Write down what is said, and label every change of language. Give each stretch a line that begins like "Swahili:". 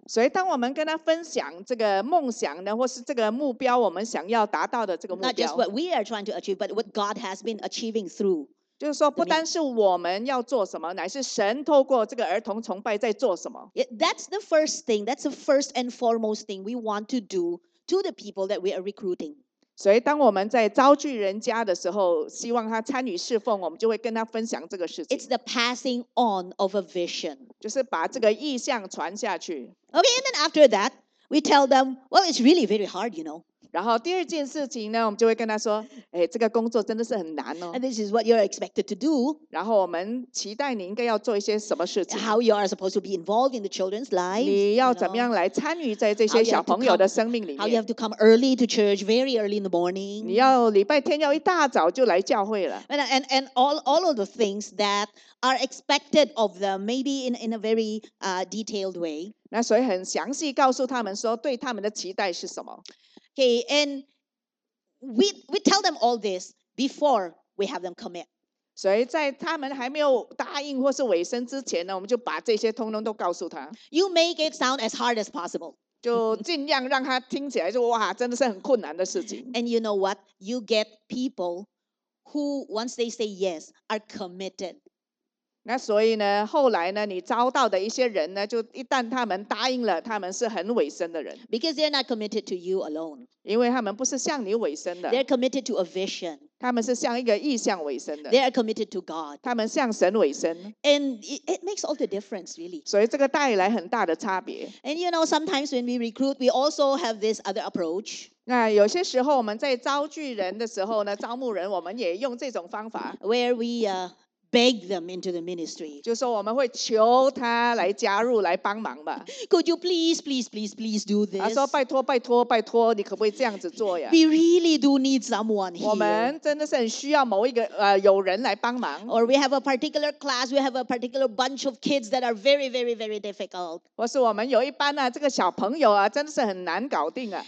Chinese: 所以当我们跟他分享这个梦想呢，或是这个目标，我们想要达到的这个目标。
English: Not just what we are trying to achieve, but what God has been achieving through.
Chinese: 就是说，不单是我们要做什么，乃是神透过这个儿童崇拜在做什么。
English: Yeah, that's the first thing. That's the first and foremost thing we want to do to the people that we are recruiting.
Chinese: 所以当我们在招聚人家的时候希望他参与侍奉我们就会跟他分享这个事情
English: It's the passing on of a vision
Chinese: 就是把这个意向传下去
English: Okay, and then after that we tell them well, it's really very hard, you know
Chinese: 然后第二件事情呢，我们就会跟他说，哎，这个工作真的是很难哦。
English: And this is what you're expected to do.
Chinese: 然后我们期待你应该要做一些什么事情。
English: How you are supposed to be involved in the children's lives.
Chinese: 你要怎么样来参与在这些小朋友的生命里面。
English: How you have to come early to church, very early in the morning.
Chinese: 你要礼拜天要一大早就来教会了。
English: And all of the things that are expected of them, maybe in a very detailed way.
Chinese: 那所以很详细告诉他们说对他们的期待是什么。
English: Okay, and we tell them all this before we have them commit.
Chinese: 所以在他们还没有答应或是委身之前呢，我们就把这些通通都告诉他。
English: You make it sound as hard as possible.
Chinese: 就尽量让他听起来就哇，真的是很困难的事情。
English: And you know what? You get people who once they say yes are committed.
Chinese: 那所以呢，后来呢，你招到的一些人呢，就一旦他们答应了，他们是很委身的人。
English: Because they're not committed to you alone.
Chinese: 因为他们不是向你委身的。
English: They're committed to a vision.
Chinese: 他们是向一个意向委身的。
English: They are committed to God.
Chinese: 他们向神委身。
English: And it makes all the difference, really.
Chinese: 所以这个带来很大的差别。
English: And you know, sometimes when we recruit, we also have this other approach.
Chinese: 那有些时候我们在招聚人的时候呢，招募人，我们也用这种方法。
English: Where we beg them into the ministry.
Chinese: 就说我们会求他来加入来帮忙吧。
English: Could you please, please, please, please do this?
Chinese: 他说拜托拜托拜托，你可不可以这样子做呀？
English: We really do need someone here.
Chinese: 我们真的是很需要某一个有人来帮忙。
English: Or we have a particular class, we have a particular bunch of kids that are very, very, very difficult.
Chinese: 或是我们有一班啊，这个小朋友啊，真的是很难搞定啊。